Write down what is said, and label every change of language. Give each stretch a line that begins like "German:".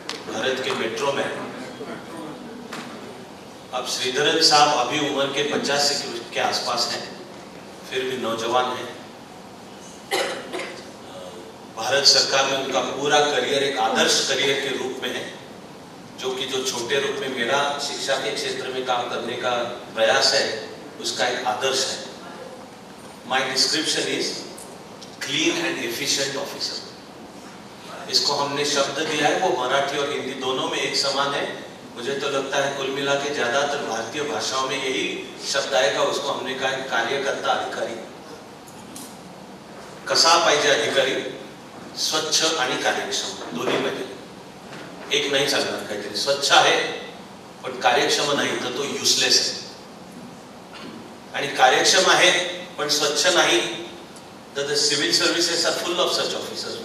Hindi: भारत के मेट्रो में, अब श्रीधरन साहब अभी उम्र के 50 के आसपास हैं, फिर भी नौजवान हैं, भारत सरकार में उनका पूरा करियर एक आदर्श करियर के रूप में है, जो कि जो छोटे रूप में मेरा शिक्षा के क्षेत्र में काम करने का प्रयास है उसका एक आदर्श है,
English: My description is clean and efficient officer.
Hindi: इसको हमने शब्द दिया है, वो मराठी और हिंदी दोनों में एक समान है. मुझे तो लगता है कुल मिला के ज्यादातर भारतीय भाषाओं में यही शब्द आएगा. उसको हमने कहा कार्यकर्ता अधिकारी,
Marathi: कसा पाहिजे अधिकारी, स्वच्छ आणि कार्यक्षम दोन्ही पाहिजे. एक नाही चालणार, काहीतरी स्वच्छ आहे पण कार्यक्षम नाही तर तो युसलेस आहे, आणि कार्यक्षम आहे पण स्वच्छ नाही तर
English: The civil services are full of such officers.